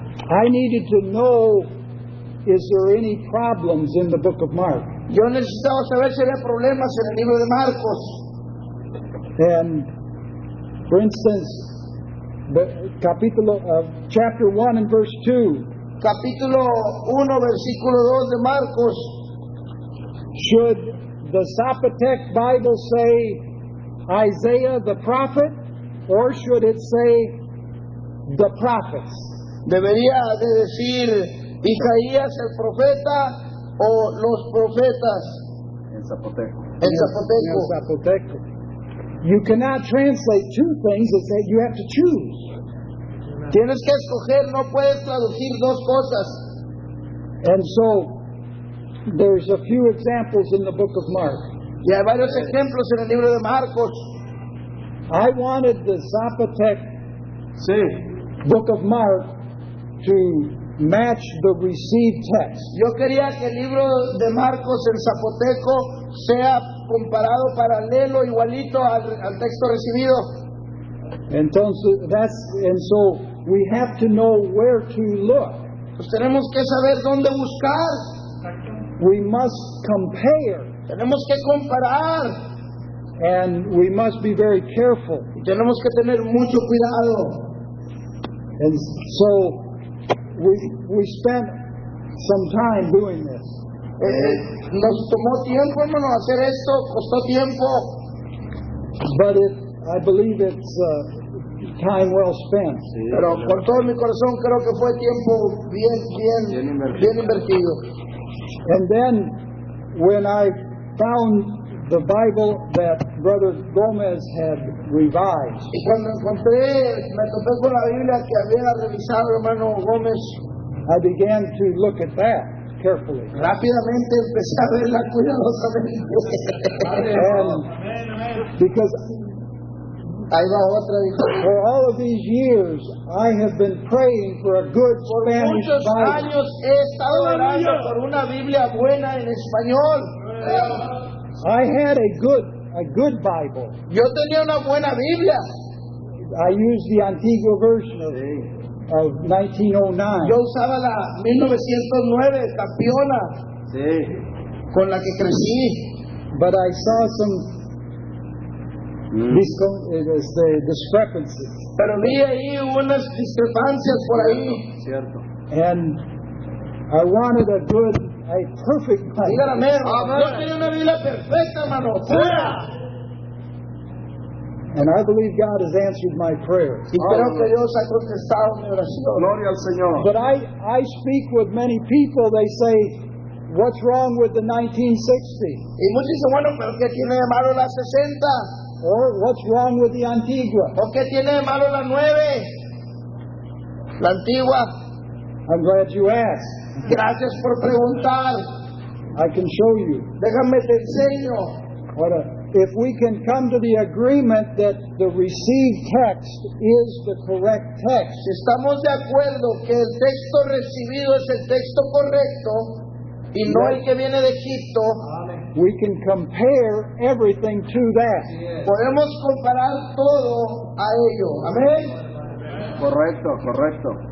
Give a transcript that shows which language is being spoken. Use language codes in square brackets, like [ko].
[en] I needed to know, is there any problems in the book of Mark? [es] Yo necesitaba saber si había problemas en el libro de Marcos. [en] And for instance, the capítulo of chapter 1 and verse 2. [es] Capítulo 1, versículo 2 de Marcos. [en] Should the Zapotec Bible say Isaiah the prophet, or should it say the prophets? [es] ¿Debería de decir Isaías el profeta o los profetas? En Zapoteco. [en] You cannot translate two things and say you have to choose. [es] Tienes que escoger, no puedes traducir dos cosas. [en] And so there's a few examples in the book of Mark. [es] Y hay varios ejemplos en el libro de Marcos. [en] I wanted the Zapotec, [es] sí, [en] book of Mark to match the received text. [es] Yo quería que el libro de Marcos en Zapoteco sea comparado, paralelo, igualito al texto recibido. [en] And so we have to know where to look. [es] Pues tenemos que saber dónde buscar. [en] We must compare. [es] Tenemos que comparar. [en] And we must be very careful. [es] Y tenemos que tener mucho cuidado. [en] And so we spent some time doing this. [es] Nos tomó tiempo, hermano, hacer esto, costó tiempo. [en] But I believe it's time well spent. [es] Sí, pero por todo mi corazón creo que fue tiempo bien invertido. [en] And then when I found the Bible that Brother Gomez had revised. [es] Y cuando me topé con la Biblia que había revisado hermano Gómez, [en] I began to look at that carefully. [es] Rápidamente empecé a verla cuidadosamente. [en] Because for all of these years, I have been praying for a good Spanish Bible. [es] Por muchos años he estado orando por una Biblia buena en español. [en] I had a good Bible. [es] Yo tenía una buena Biblia. [en] I used the Antigua version of 1909. [es] Yo usaba la 1909 Campeona. Sí. Con la que crecí. [en] But I saw some discrepancies. [es] Pero vi ahí unas discrepancias por ahí. Cierto. [en] And I wanted a perfect Bible. [es] Dígale, amén. Yo quería una Biblia perfecta, hermano. ¡Fuera! [en] And I believe God has answered my prayer. [es] Gloria al Señor. [en] But I speak with many people, they say, what's wrong with the 1960? Or what's wrong with the Antigua? [es] La Antigua. [en] I'm glad you asked. [es] Gracias por preguntar. [en] I can show you. [es] Déjame te enseño. [en] If we can come to the agreement that the received text is the correct text. [es] Si estamos de acuerdo que el texto recibido es el texto correcto y no el que viene de Egipto, [en] we can compare everything to that. [es] Yes. Podemos comparar todo a ello. Amén. Correcto, correcto.